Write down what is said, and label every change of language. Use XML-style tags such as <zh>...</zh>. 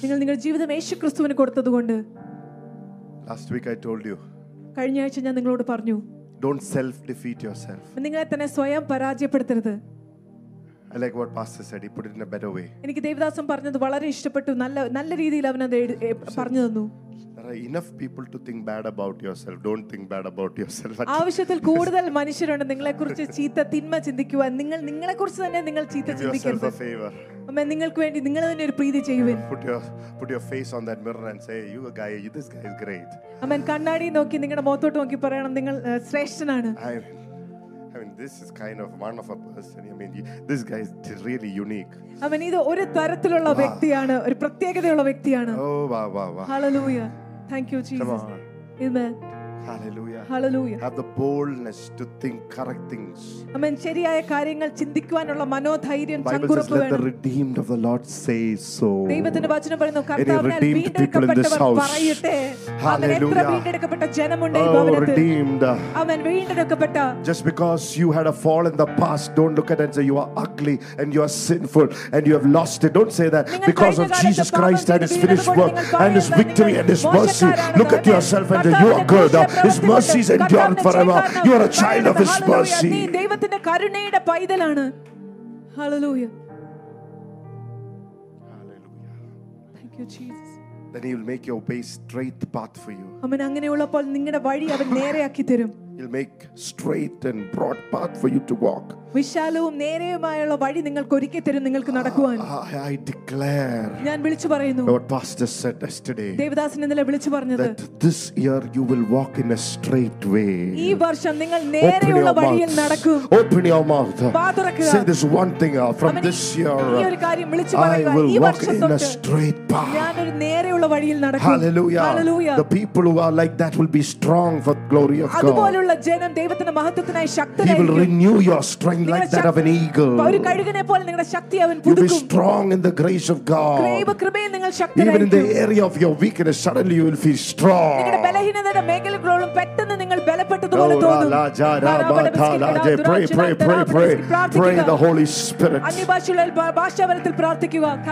<ml>നിങ്ങൾ നിങ്ങളുടെ ജീവിതം യേശുക്രിസ്തുവിനെ കൊടുത്തതുകൊണ്ട്.</ml> <en>Last week I told you.</en> <ml>കഴിഞ്ഞ ആഴ്ച ഞാൻ നിങ്ങളോട് പറഞ്ഞു.</ml> <en>Don't self defeat yourself.</en> <ml>നിങ്ങളെ തന്നെ സ്വയം പരാജയപ്പെടുത്തരുത്.</ml> <en>I like what Pastor said. He put it in a better way.</en> <ml>എനിക്ക് ദേവദാസം പറഞ്ഞത് വളരെ ഇഷ്ടപ്പെട്ടു. നല്ല രീതിയിൽ അവൻ അത് പറഞ്ഞു തന്നു.</ml> <en>There are enough people to think bad about yourself. Don't think bad about yourself.</en> <ml>ആവശ്യത്തിൽ കൂടുതൽ മനുഷ്യരുണ്ട് നിങ്ങളെ കുറിച്ച് ചീത്ത തിന്മ ചിന്തിക്കുക. നിങ്ങൾ നിങ്ങളെ കുറിച്ച് തന്നെ നിങ്ങൾ ചീത്ത ചിന്തിക്കരുത്. അമ്മേ, നിങ്ങൾക്ക് വേണ്ടി നിങ്ങൾ തന്നെ ഒരു പ്രീതി ചെയ്യുവിൻ.</ml> <en>Put your face on that mirror and say, you guy, this guy is great.</en> <ml>അമ്മേ, കണ്ണാടി നോക്കി നിങ്ങളുടെ മുഖത്തോട്ട് നോക്കി പറയണം, നിങ്ങൾ ശ്രേഷ്ഠനാണ്.</ml> <en>I mean, this is kind of one of a person. I mean, this guy is really unique.</en> <ml>അവൻ ഇത് ഒരു തരത്തിലുള്ള വ്യക്തിയാണ്, ഒരു പ്രത്യേകതയുള്ള വ്യക്തിയാണ്.</ml> <en>Oh, wow, wow, wow. Hallelujah. Thank you, Jesus. Come on. Amen. Hallelujah. Hallelujah. Have the boldness to think correct things. Amen.</en> <ml>ശരിയായ കാര്യങ്ങൾ ചിന്തിക്കാനുള്ള മനോധൈര്യം ചങ്കുറപ്പ് വേണം.</ml> <en>The redeemed of the Lord say so.</en> <ml>ദൈവത്തിന്റെ വചനം പറയുന്നു കർത്താവേ വീണ്ടെടുക്കപ്പെട്ടവർ പറയട്ടെ.</ml> <en>Hallelujah.</en> <ml>അവർ വീണ്ടെടുക്കപ്പെട്ട ജനമുണ്ടേ ഭവനത്തിൽ. അവൻ വീണ്ടെടുക്കപ്പെട്ട.</ml> <en>Just because you had a fall in the past, don't look at it and say you are ugly and you are sinful and you have lost it. Don't say that. Because of Jesus Christ and his finished work and his victory and his mercy, look at yourself and say you are good. His mercy is endured forever. You are a child of his mercy.</en> <ml>ദൈവത്തിന്റെ കരുണയുടെ പൈതലാണ്. Hallelujah. Hallelujah.</ml> <en>Thank you Jesus. Then he will make your way straight path for you.</en> <ml>അവൻ അങ്ങനെ ഉള്ളപ്പോൾ നിങ്ങളുടെ വഴി അവൻ നേരെയാക്കി തരും.</ml> <en>He'll make straight and broad path for you to walk.</en> <ml>വിശാലവും നേരെയുമായുള്ള വഴി നിങ്ങൾക്ക് ഒരുക്കി തരും നിങ്ങൾക്ക് നടക്കുവാൻ.</ml> <en>I declare.</en> <ml>ഞാൻ വിളിച്ചു പറയുന്നു.</ml> <en>What pastor said yesterday.</en> <ml>Devadasan ഇന്നലെ വിളിച്ചു പറഞ്ഞു.</ml> <en>That this year you will walk in a straight way.</en> <ml>ഈ വർഷം നിങ്ങൾ നേരെയുള്ള വഴിയിൽ നടക്കും.</ml> <en>Open your mouth.</en> <ml>വാതുറക്കുക.</ml> <en>Say this one thing from this year.</en> <ml>ഈ ഒരു കാര്യം വിളിച്ചു പറയുക.</ml> <en>I will walk in a straight path.</en> <ml>ഞാൻ ഒരു നേരെയുള്ള വഴിയിൽ നടക്കും.</ml> <en>Hallelujah. Hallelujah. The people who are like that will be strong for the glory of God.</en> <ml>അതുപോലുള്ള ജനം ദൈവത്തിന്റെ മഹത്വത്തിനായി ശക്തരായി.</ml> <en>He will renew your strength. Like that of an eagle.</en> <ml>ഒരു കഴുകനെ പോലെ നിങ്ങളുടെ ശക്തി അവൻ പുതുക്കും.</ml> <en>You will be strong in the grace of God.</en> <ml>കൃപയിൽ നിങ്ങൾ ശക്തരായി.</ml> <en>Even in the area of your weakness suddenly you will feel strong.</en> <ml>നിങ്ങളുടെ ബലഹീനതയുടെ മേഖലകളോളം പെട്ടെന്ന് നിങ്ങൾ ബലപ്പെട്ടതുപോലെ തോന്നും.</ml> <en>Pray the Holy Spirit.</en> <ml>അന്യഭാഷയിൽ ഭാഷാവരത്തിൽ പ്രാർത്ഥിക്കുക.</ml>